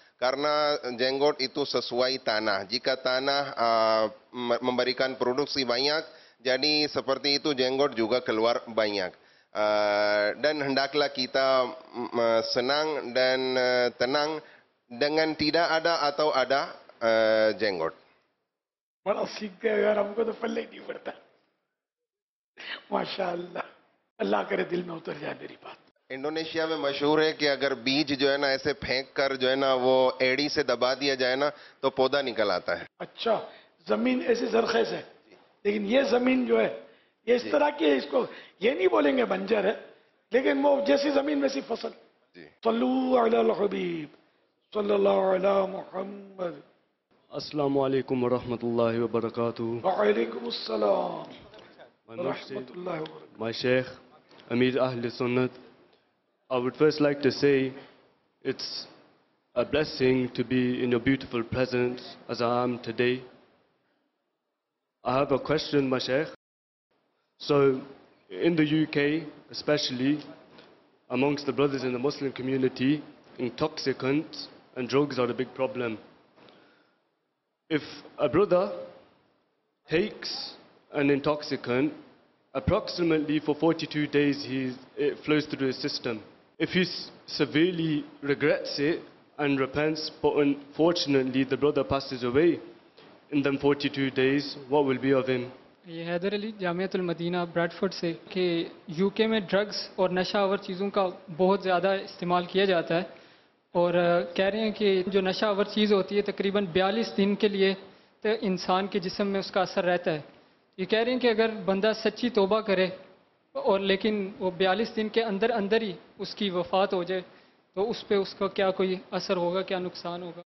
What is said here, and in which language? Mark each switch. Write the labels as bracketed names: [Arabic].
[Indonesian] Karena jenggot itu sesuai tanah. Jika tanah memberikan produksi banyak, jadi seperti itu jenggot juga keluar banyak. Dan hendaklah kita senang dan tenang dengan tidak ada atau ada jenggot. [Urdu] بڑا سیکھتے ہیں یار، ہم کو تو پلے نہیں پڑتا، ماشاء اللہ. اللہ کرے دل میں اتر جائے میری بات. انڈونیشیا میں مشہور ہے کہ اگر بیج جو ہے نا ایسے پھینک کر جو ہے نا وہ ایڑی سے دبا دیا جائے نا تو پودا نکل آتا ہے. اچھا، زمین ایسے زرخیز ہے، لیکن یہ زمین جو ہے یہ اس طرح کی ہے، اس کو یہ نہیں بولیں گے بنجر ہے، لیکن وہ جیسی زمین ویسی فصل. صلو علی الحبیب صلی اللہ علی محمد. السلام علیکم ورحمۃ اللہ وبرکاتہ. وعلیکم السلام ورحمۃ اللہ وبرکاتہ. [English] My شیخ امیر اہل سنت، I would first like to say it's a blessing to be in your beautiful presence as I am today. I have a question, my Sheikh. So in the UK, especially amongst the brothers in the Muslim community, intoxicants and drugs are a big problem. If a brother takes an intoxicant, approximately for 42 days it flows through his system. If he severely regrets it and repents, but unfortunately the brother passes away in them 42 days, what will be of him? [Urdu] یہ حیدر علی جامعت المدینہ Bradford سے، کہ you کے میں drugs اور نشہ آور چیزوں کا بہت زیادہ استعمال کیا جاتا ہے، اور کہہ رہے ہیں کہ جو نشہ آور چیز ہوتی ہے تقریباً 42 دن کے لیے تو انسان کے جسم میں اس کا اثر رہتا ہے. یہ کہہ رہے ہیں کہ اگر بندہ سچی توبہ کرے اور لیکن وہ 42 دن کے اندر اندر ہی اس کی وفات ہو جائے، تو اس پہ اس کا کیا کوئی اثر ہوگا، کیا نقصان ہوگا؟